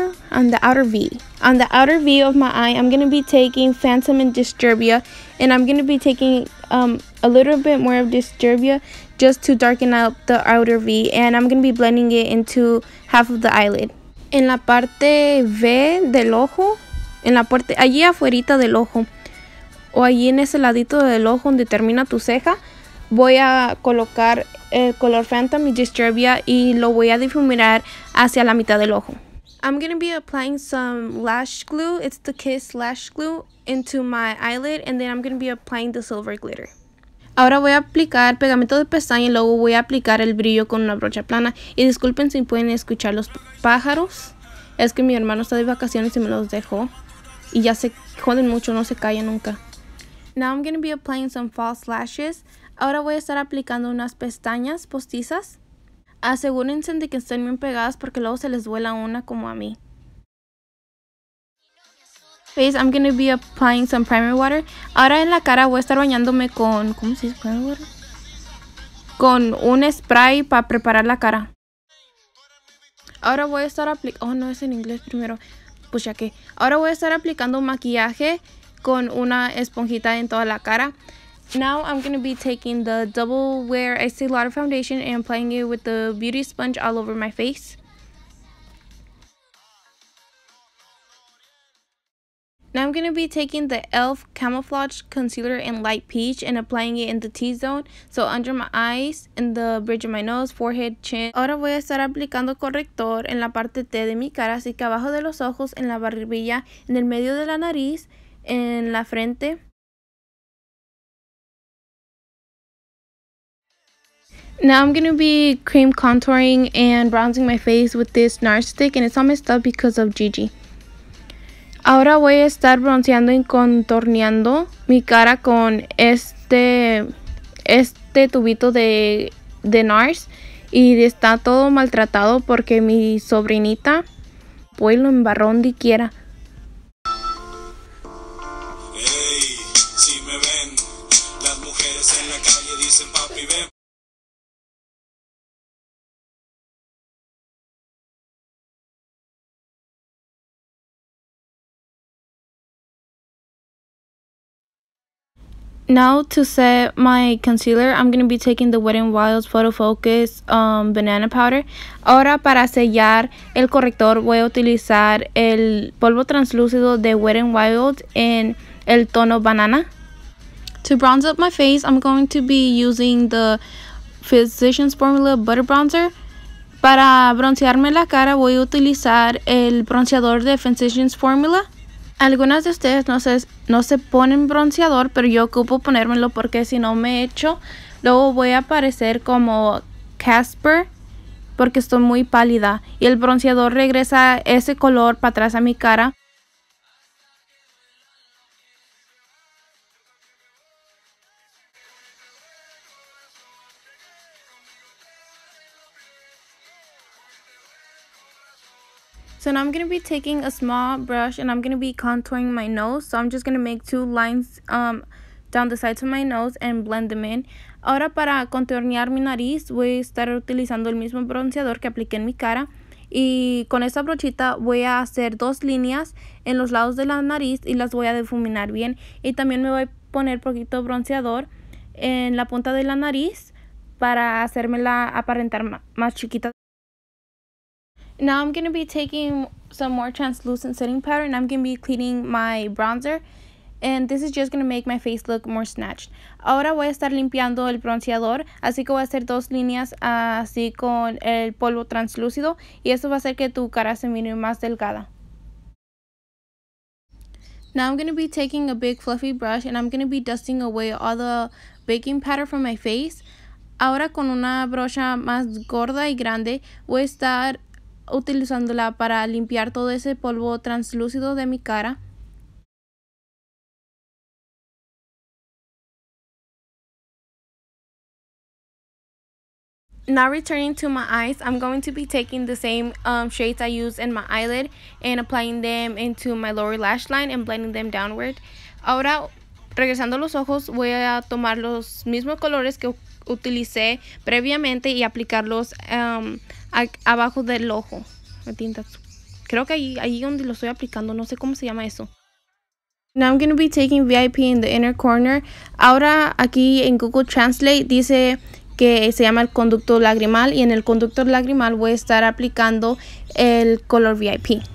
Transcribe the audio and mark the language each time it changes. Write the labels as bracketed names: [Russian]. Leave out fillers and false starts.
[English] On the outer V of my eye, I'm going to be taking Phantom and Disturbia and I'm going to be taking a little bit more of Disturbia just to darken up the outer V and I'm going to be blending it into half of the eyelid. [Spanish] En la parte V del ojo, en la parte allí afuerita del ojo o allí en ese ladito del ojo donde termina tu ceja, voy a colocar el color Phantom y Disturbia y lo voy a difuminar hacia la mitad del ojo. [English] I'm going to be applying some lash glue, it's the Kiss lash glue, into my eyelid and then I'm going to be applying the silver glitter. [Spanish] Ahora voy a aplicar pegamento de pestaña y luego voy a aplicar el brillo con una brocha plana. Y disculpen si pueden escuchar los pájaros. Es que mi hermano está de vacaciones y me los dejó. Y ya se joden mucho, no se callan nunca. [English] Now I'm going to be applying some false lashes. [Spanish] Ahora voy a estar aplicando unas pestañas postizas. Asegúrense de que estén bien pegadas porque luego se les vuela una como a mí. [English] Face, I'm going to be applying some primer water. [Spanish] Ahora en la cara voy a estar bañándome con... ¿Cómo se dice [English] primer water? [Spanish] Con un spray para preparar la cara. Ahora voy a estar aplicando... Oh, no, es en inglés primero. Pues ya que... Ahora voy a estar aplicando maquillaje con una esponjita en toda la cara. [English] Now I'm going to be taking the Double Wear Estee Lauder Foundation and applying it with the beauty sponge all over my face. Now I'm going to be taking the e.l.f. Camouflage Concealer in Light Peach and applying it in the T-zone, so under my eyes, in the bridge of my nose, forehead, chin. [Spanish] Ahora voy a estar aplicando corrector en la parte T de mi cara, así que abajo de los ojos, en la barbilla, en el medio de la nariz, en la frente. [English] Now I'm going to be cream contouring and bronzing my face with this Nars stick, and it's all messed up because of Gigi. [Spanish] Ahora voy a estar bronceando y contorneando mi cara con este tubito de Nars, y está todo maltratado porque mi sobrinita pues lo embarró donde quiera. Hey, si me ven, las mujeres en la calle dicen papi ven. [English] Now to set my concealer, I'm going to be taking the Wetnwile Photofocus Banana Powder. [Spanish] Ahora para sellar el corrector voy a utilizar el polvo translúcido de Wetnwile en el tono banana. [English] To bronze up my face, I'm going to be using the Physicians Formula Butter Bronzer. [Spanish] Para broncearme la cara voy a utilizar el bronceador de Physicians Formula. Algunas de ustedes no se ponen bronceador, pero yo ocupo ponérmelo porque si no me echo, luego voy a parecer como Casper porque estoy muy pálida. Y el bronceador regresa ese color para atrás a mi cara. [English] So now I'm going to be taking a small brush and I'm going to be contouring my nose. So I'm just going to make two lines down the sides of my nose and blend them in. [Spanish] Ahora para contornear mi nariz voy a estar utilizando el mismo bronceador que apliqué en mi cara. Y con esta brochita voy a hacer dos líneas en los lados de la nariz y las voy a difuminar bien. Y también me voy a poner poquito bronceador en la punta de la nariz para hacérmela aparentar más chiquita. [English] Now I'm going to be taking some more translucent setting powder and I'm going to be cleaning my bronzer. And this is just going to make my face look more snatched. [Spanish] Ahora voy a estar limpiando el bronceador, así que voy a hacer dos líneas así con el polvo translúcido. Y eso va a hacer que tu cara se mire más delgada. [English] Now I'm going to be taking a big fluffy brush and I'm going to be dusting away all the baking powder from my face. [Spanish] Ahora con una brocha más gorda y grande voy a estar utilizándola para limpiar todo ese polvo translúcido de mi cara. [English] Now returning to my eyes, I'm going to be taking the same shades I used in my eyelid and applying them into my lower lash line and blending them downward. [Spanish] Ahora, regresando a los ojos, voy a tomar los mismos colores que utilicé previamente y aplicarlos abajo del ojo. Creo que ahí donde lo estoy aplicando, no sé cómo se llama eso. [English] Now I'm going to be taking VIP in the inner corner. [Spanish] Ahora aquí en Google Translate dice que se llama el conducto lagrimal, y en el conducto lagrimal voy a estar aplicando el color VIP.